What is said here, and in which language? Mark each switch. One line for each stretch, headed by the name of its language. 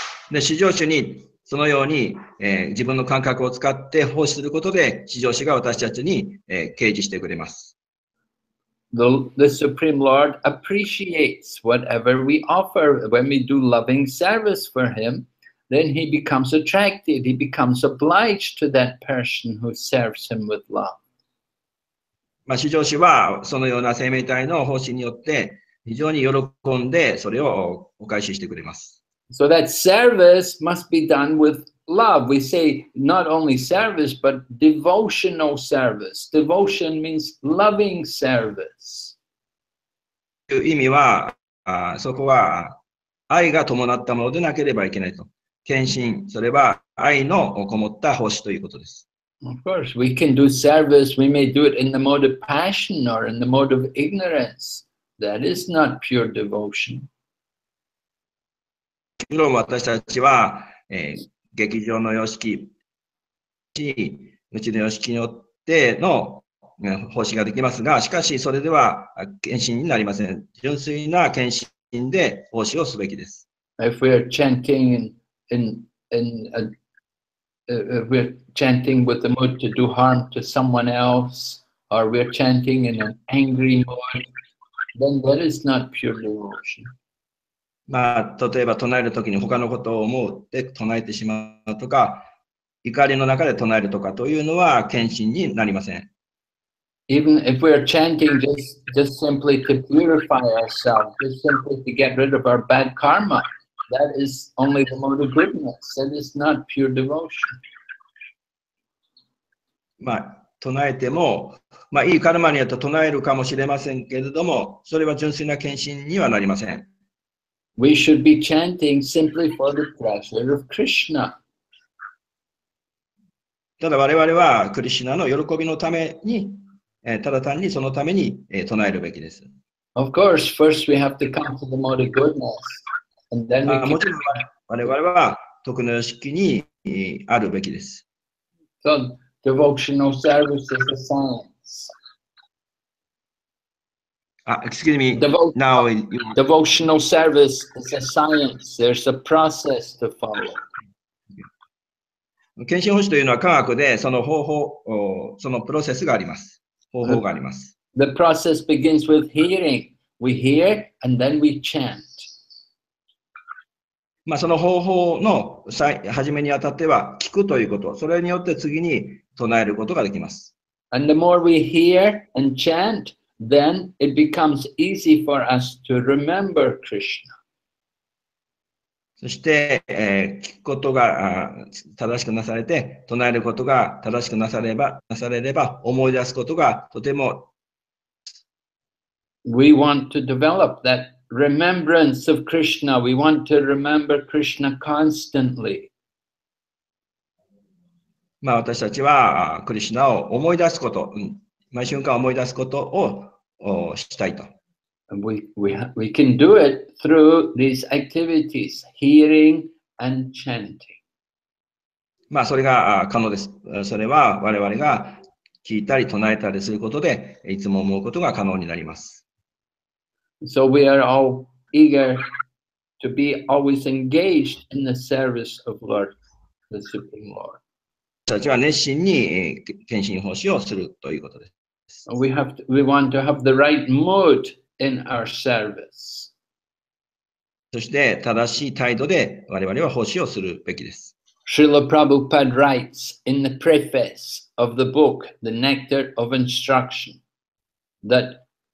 Japanese: で、至上主にそのように、自分の感覚を使って奉仕することで、至上主が私たちに、啓示してくれます。
English: The Supreme Lord appreciates whatever we offer when we do loving service for Him. Then He becomes attracted. He becomes obliged to that person who serves Him with love.
Japanese: まあ、至上主はそのような生命体の奉仕によって非常に喜んでそれをお返ししてくれます。
English: So that service must be done with love. We say not only service, but devotional service. Devotion means loving service.
Japanese: という意味は、そこは愛が伴ったものでなければいけないと。献身、それは愛のこもった奉仕ということです。
English: Of course, we can do service. We may do it in the mode of passion or in the mode of ignorance. That is not pure devotion.
Japanese: もちろん私たちは、劇場の様式、うちの様式によっての、奉仕ができますが、しかしそれでは献身になりません。純粋な献身で奉仕をすべきです。
English: If we are chanting, if we are chanting with the mood to do harm to someone else, or we are chanting in an angry mood, then that is not pure devotion.
Japanese: まあ、例えば唱えるときに他のことを思って唱えてしまうとか、怒りの中で唱えるとかというのは献身になりません。
English: Even if we are chanting just simply to purify ourselves, just simply to get rid of our bad karma, that is only the mode of goodness. That is not pure devotion.
Japanese: まあ、唱えても、まあ、いいカルマによって唱えるかもしれませんけれども、それは純粋な献身にはなりません。
English: We should be chanting simply for the pleasure of Krishna.
Japanese: ただ我々はクリシュナの喜びのために、ただ単にそのために、唱えるべきです。
English: Of course, first we have to come to the mode of goodness, and then we can.
Japanese: もちろん我々は徳の様式に、あるべきです。
English: So, devotional service is a science. Excuse me. Now, devotional service is a science. There's a process to follow.
Japanese: 献身奉仕というのは科学で、その方法、そのプロセスがあります。方法があります。
English: The process begins with hearing. We hear and then we chant.
Japanese: まあ、その方法の初めにあたっては聞くということ。それによって次に唱えることができます。
English: And the more we hear and chant,Then it becomes easy for us to remember Krishna.
Japanese: そして、聞くことが正しくなされて、唱えることが正しくなされれば、思い出すことがとても。
English: We want to develop that remembrance of Krishna. We want to remember Krishna constantly.
Japanese: まあ、私たちはクリシナを思い出すこと、毎瞬間思い出すことをしたいと。
English: We can do it through these activities, hearing and chanting.
Japanese: まあそれが可能です。それは我々が聞いたり唱えたりすることでいつも思うことが可能になります。
English: So we are all eager to be always engaged in the service of Lord, the Supreme Lord.
Japanese: 私たちは熱心に献身奉仕をするということです。
English: We want to have the right mood in our service.
Japanese: そして正しい態度で我々は奉仕をするべきです。
English: Srila Prabhupada writes in the preface of the book, The Nectar of Instruction, that